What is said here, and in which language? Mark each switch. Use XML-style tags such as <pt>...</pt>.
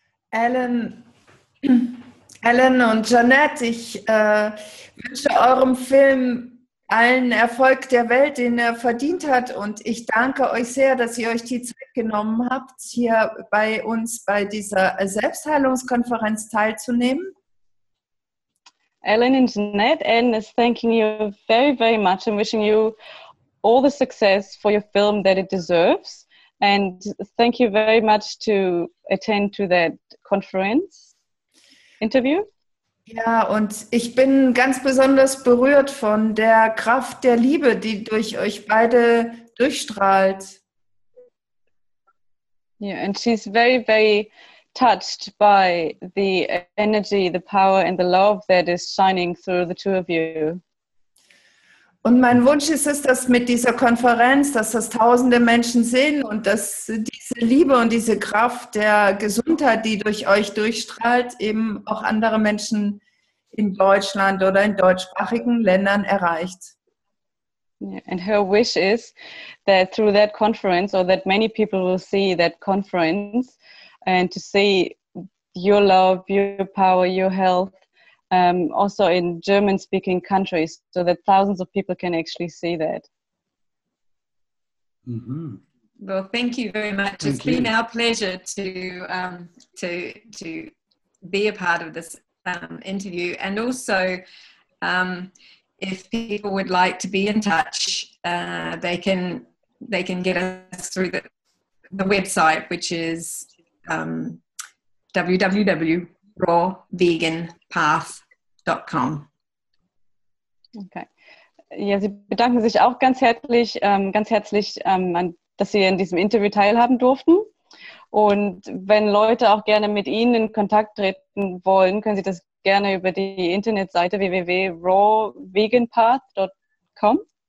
<de>Ellen und Jeanette, ich wünsche eurem Film allen Erfolg der Welt, den er verdient hat. Und ich danke euch sehr, dass ihr euch die Zeit genommen habt, hier bei uns bei dieser Selbstheilungskonferenz teilzunehmen.</de> <en>Ellen und Jeanette, Ellen is thanking you very, very much and wishing you all the success for your film that it deserves. And thank you very much to attend to that conference interview.</en> <de>Ja, und ich bin ganz besonders berührt von der Kraft der Liebe, die durch euch beide durchstrahlt.</de> <en>Yeah, and she's very, very touched by the energy, the power and the love that is shining through the two of you.</en> <de>Und mein Wunsch ist es, dass mit dieser Konferenz, dass das tausende Menschen sehen und dass diese Liebe und diese Kraft der Gesundheit, die durch euch durchstrahlt, eben auch andere Menschen in Deutschland oder in deutschsprachigen Ländern erreicht.</de> <en>And her wish is that through that conference, or that many people will see that conference and to see your love, your power, your health, also in German-speaking countries, so that thousands of people can actually see that. Mm-hmm. Well, thank you very much. Thank it's you. Been our pleasure to be a part of this interview. And also, if people would like to be in touch, they can get us through the website, which is www.rawveganpath.com. Okay.</en> <de>Ja, Sie bedanken sich auch ganz herzlich, dass Sie in diesem Interview teilhaben durften. Und wenn Leute auch gerne mit Ihnen in Kontakt treten wollen, können Sie das gerne über die Internetseite www.rawveganpath.com.</de>